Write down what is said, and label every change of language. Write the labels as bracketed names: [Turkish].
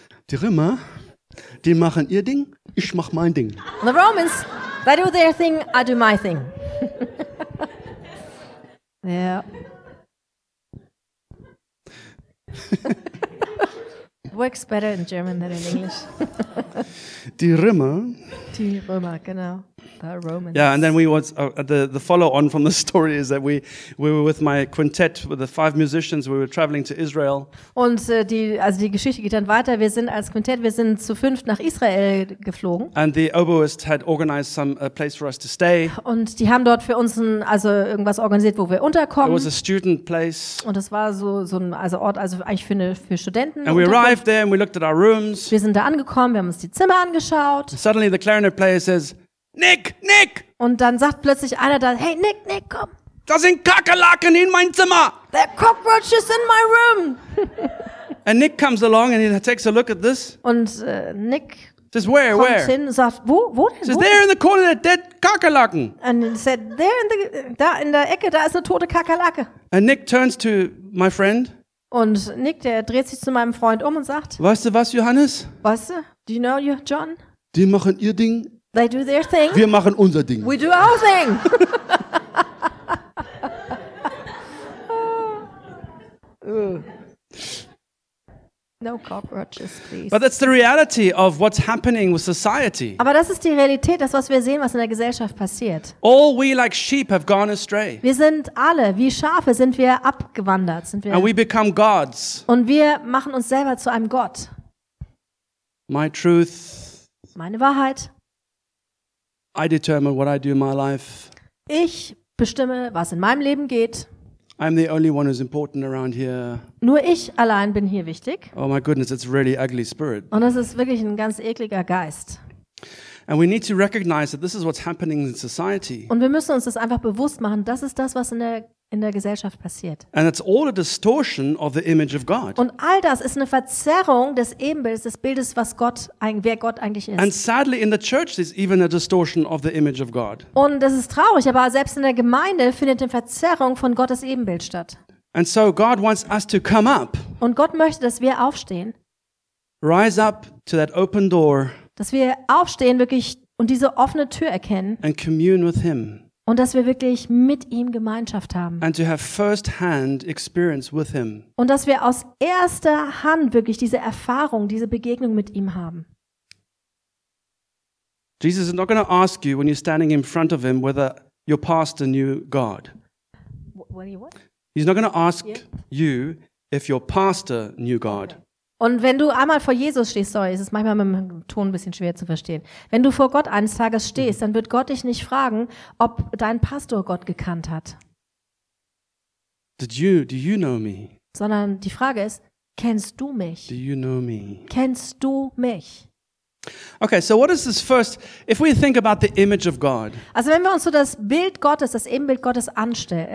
[German] Die Römer, die machen ihr Ding, ich mach mein Ding. [English] The Romans, they do their thing, I do my thing. Yeah. Works better in German than in English. [German] Die Römer. Die Römer, genau. [English] Romans. Yeah, and then we was the follow on from the story is that we were with my quintet with the five musicians. We were traveling to Israel. [German] Und die Geschichte geht dann weiter. Wir sind als Quintett, wir sind zu fünft nach Israel geflogen. [English] And the oboist had organized some place for us to stay. [German] Und die haben dort für uns irgendwas organisiert, wo wir unterkommen. [English] It was a student place. [German] Und das war so ein Ort, also eigentlich für Studenten. [English] And we arrived there and we looked at our rooms. [German] Wir sind da angekommen, wir haben uns die Zimmer angeschaut. [English] And suddenly the clarinet player says, Nick, Nick! [German] Und dann sagt plötzlich einer da, hey Nick, Nick, komm! Da sind Kakerlaken in mein Zimmer! [English] There are cockroaches in my room! And Nick comes along and he takes a look at this. [German] Und Nick [English] says, where, [German] kommt [English] where? [German] Hin, sagt, wo denn? [English] Says, there in the corner that dead Kakerlaken. And he said, there in the, [German] da in der Ecke, da ist eine tote Kakerlake. [English] And Nick turns to my friend. [German] Und Nick, der dreht sich zu meinem Freund und sagt, weißt du was, Johannes? Weißt du? [English] Do you know you, John? [German] Die machen ihr Ding. [English] They do their thing. [German] Wir machen unser Ding. [English] We do our thing. No cockroaches, please. But that's the reality of what's happening with society. [German] Aber das ist die Realität, das was wir sehen, was in der Gesellschaft passiert. [English] All we like sheep have gone astray. [German] Wir sind alle wie Schafe, sind wir abgewandert, sind wir. [English] And we become gods. [German] Und wir machen uns selber zu einem Gott. [English] My truth. [German] Meine Wahrheit. [English] I determine what I do in my life. [German] Ich bestimme, was in meinem Leben geht. [English] I'm the only one who's important around here. [German] Nur ich allein bin hier wichtig. [English] Oh my goodness, it's really ugly spirit. [German] Und das ist wirklich ein ganz ekliger Geist. [English] And we need to recognize that this is what's happening in society. [German] Und wir müssen uns das einfach bewusst machen, das ist das, was in der Gesellschaft passiert. [English] And it's all a distortion of the image of God. [German] Und all das ist eine Verzerrung des Ebenbildes, des Bildes, was Gott, wer Gott eigentlich ist. [English] And sadly in the church there's even a distortion of the image of God. [German] Und das ist traurig, aber selbst in der Gemeinde findet eine Verzerrung von Gottes Ebenbild statt. [English] And so God wants us to come up. [German] Und Gott möchte, dass wir aufstehen. [English] Rise up to that open door. [German] Dass wir aufstehen wirklich und diese offene Tür erkennen. [English] And commune with him. [German] Und dass wir wirklich mit ihm Gemeinschaft haben. [English] And to have first-hand experience with him. [German] Und dass wir aus erster Hand wirklich diese Erfahrung, diese Begegnung mit ihm haben. [English] Jesus is not going to ask you when you're standing in front of him whether your pastor knew God. He's not going to ask you if your pastor knew God. [German] Und wenn du einmal vor Jesus stehst, sorry, es ist manchmal mit dem Ton ein bisschen schwer zu verstehen. Wenn du vor Gott eines Tages stehst, dann wird Gott dich nicht fragen, ob dein Pastor Gott gekannt hat. [English] Do you know me? [German] Sondern die Frage ist, kennst du mich? [English] Do you know me? [German] Kennst du mich? [English] Okay, so what is this first, if we think about the image of God. [German] Also wenn wir uns so das Bild Gottes, das Ebenbild Gottes anstellen.